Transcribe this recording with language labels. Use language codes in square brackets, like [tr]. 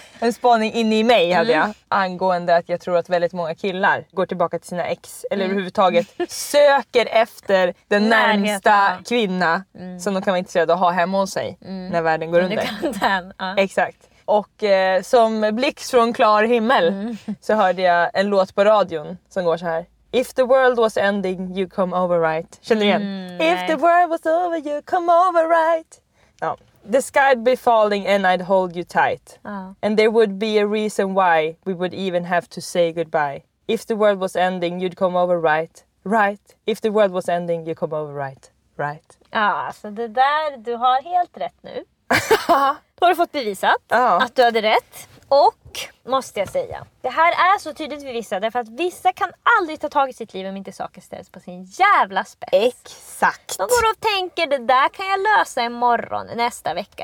[sv] En spaning inne i mig hade jag, angående att jag tror att väldigt många killar går tillbaka till sina ex, eller överhuvudtaget söker efter den närmsta kvinna som de kan vara intresserade av att ha hemma hos sig när världen går under. Exakt. Och som blixt från klar himmel så hörde jag en låt på radion som går så här. [en] If the world was ending, you come over right. [sv] Känner du igen? [en] If the world was over, you come over right. No. The sky'd be falling and I'd hold you tight. And there would be a reason why we would even have to say goodbye. If the world was ending, you'd come over right. Right. If the world was ending, you come over right. Right. [sv] Ja, så det där, du har helt rätt nu. Har du fått bevisat att du hade rätt. Och, måste jag säga, det här är så tydligt för vissa, därför att vissa kan aldrig ta tag i sitt liv om inte saker ställs på sin jävla spets. Exakt. De går och tänker, det där kan jag lösa imorgon, nästa vecka.